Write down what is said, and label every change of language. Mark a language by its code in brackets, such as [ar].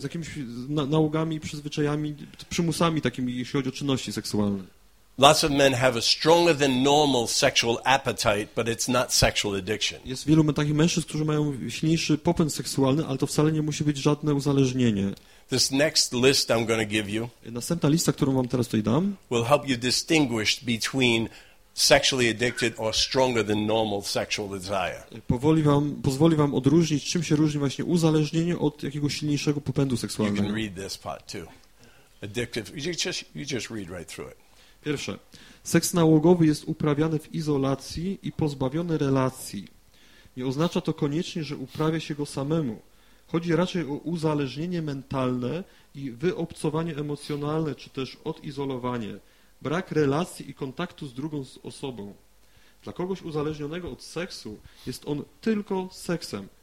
[pl] Z jakimiś nałogami, przyzwyczajami, przymusami takimi, jeśli chodzi o czynności seksualne. [en] Lots of men have a stronger than normal sexual appetite, but it's not sexual addiction. [pl] Jest wielu takich mężczyzn, którzy mają silniejszy popęd seksualny, ale to wcale nie musi być żadne uzależnienie. [en] This next list I'm going to give you. [pl] Następna lista, którą wam teraz tutaj dam, [en] will help you distinguish between sexually addicted or stronger than normal sexual desire. [pl] Pozwoli wam odróżnić, czym się różni właśnie uzależnienie od jakiegoś silniejszego popędu seksualnego. [en] You can read this part too. Addictive. You just read right through it. [pl] Pierwsze. Seks nałogowy jest uprawiany w izolacji i pozbawiony relacji. Nie oznacza to koniecznie, że uprawia się go samemu. Chodzi raczej o uzależnienie mentalne i wyobcowanie emocjonalne, czy też odizolowanie. Brak relacji i kontaktu z drugą osobą. Dla kogoś uzależnionego od seksu jest on tylko seksem.